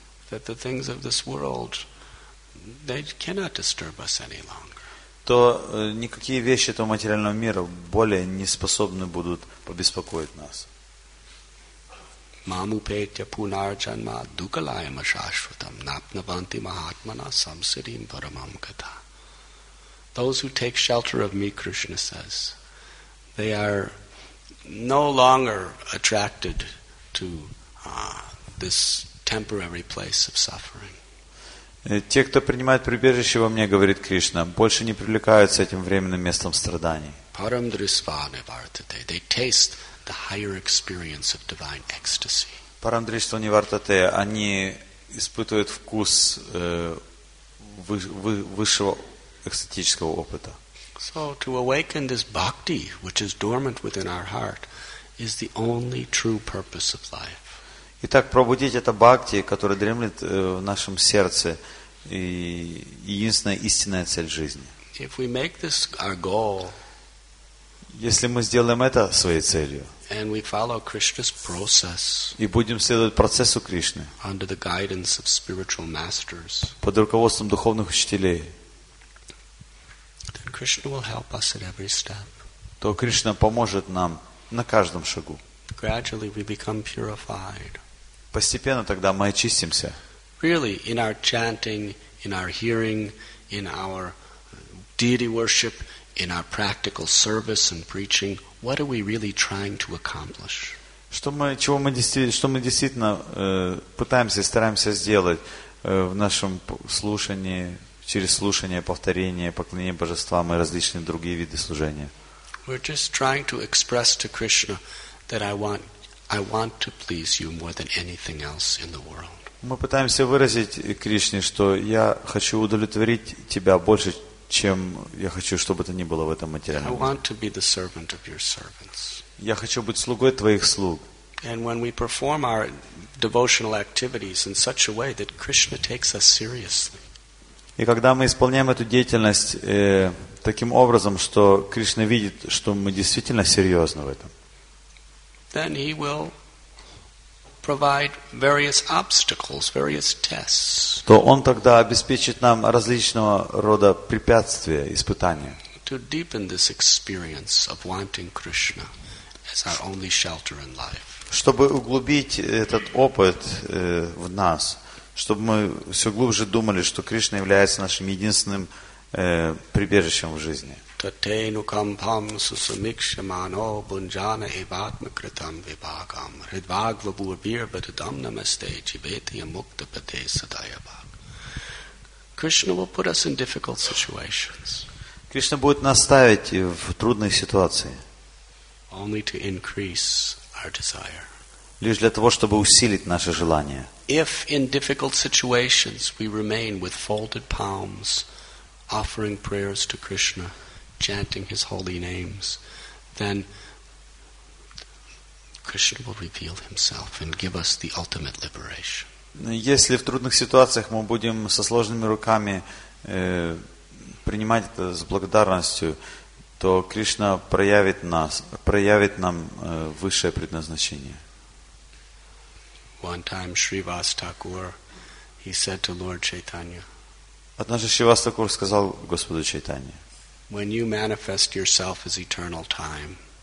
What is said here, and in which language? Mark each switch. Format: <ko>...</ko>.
<en>That the things of this world, they cannot disturb us any longer.</en> <ru>То никакие вещи этого материального мира более не способны будут побеспокоить нас.</ru> <sa>Мамупетя пунарджанма дукалаям ашашватам напнаванти махатмана самсирим парамам гата.</sa> <en>Those who take shelter of me, Krishna says, they are no longer attracted to this temporary place of suffering.</en> <ru>Те, кто принимает прибежище во мне, говорит Кришна, больше не привлекаются этим временным местом страданий.</ru> <sa>Param drisvane vartate.</sa> <en>They taste the higher experience of divine ecstasy.</en> <sa>Param drisvane vartate.</sa> <ru>Они испытывают вкус высшего экстатического опыта.</ru> <en>So to awaken this bhakti, which is dormant within our heart, is the only true purpose of life.</en> <ru>Итак, пробудить это бхакти, которое дремлет в нашем сердце, и единственная истинная цель жизни.</ru> <en>If we make this our goal,</en> <ru>если мы сделаем это своей целью,</ru> <en>and we follow Krishna's process,</en> <ru>и будем следовать процессу Кришны</ru> <en>under the guidance of spiritual masters,</en> <ru>под руководством духовных учителей,</ru> <en>then Krishna will help us at every step.</en> <ru>То Кришна поможет нам на каждом шагу.</ru> <en>Gradually we become purified.</en> <ru>Постепенно тогда мы очистимся.</ru> <en>Really, in our chanting, in our hearing, in our deity worship, in our practical service and preaching, what are we really trying to accomplish?</en> <ru>Что мы действительно пытаемся и стараемся сделать в нашем слушании, через слушание, повторение, поклонение божествам и различные другие виды служения?</ru> <en>We're just trying to express to Krishna that I want to please you more than anything else in the world.</en> <ru>Мы пытаемся выразить Кришне, что я хочу удовлетворить тебя больше, чем я хочу, чтобы это ни было в этом материальном мире.</ru> <en>I want to be the servant of your servants.</en> <ru>Я хочу быть слугой твоих слуг.</ru> <en>And when we perform our devotional activities in such a way that Krishna takes us seriously.</en> <ru>И когда мы исполняем эту деятельность таким образом, что Кришна видит, что мы действительно серьезны в этом.</ru> <en>Then he will provide various obstacles, various tests.</en> <ru>То он тогда обеспечит нам различного рода препятствия, испытания.</ru> <en>To deepen this experience of wanting Krishna as our only shelter in life.</en> <ru>Чтобы углубить этот опыт в нас, чтобы мы все глубже думали, что Кришна является нашим единственным прибежищем в жизни.</ru> <sa>Татейну кампам сусамикшамано бунджана эватмакритам вибагам ридвагвабурбир батадам намасте чибетия мукта пате садаябаг.</sa> <en>Krishna will put us in difficult situations.</en> <ru>Кришна будет нас ставить в трудные ситуации.</ru> <en>Only to increase our desire.</en> <ru>Лишь для того, чтобы усилить наше желание.</ru> <en>If in difficult situations we remain with folded palms, offering prayers to Krishna, chanting his holy names, then Krishna will reveal himself and give us the ultimate liberation.</en> <ru>Если в трудных ситуациях мы будем со сложными руками принимать это с благодарностью, то Кришна проявит нам высшее предназначение.</ru> <en>One time Shrivas Thakur, he said to Lord Chaitanya.</en> <ru>Однажды Шривас Такур сказал Господу Чайтанье.</ru> <en>When you manifest yourself as eternal time.</en>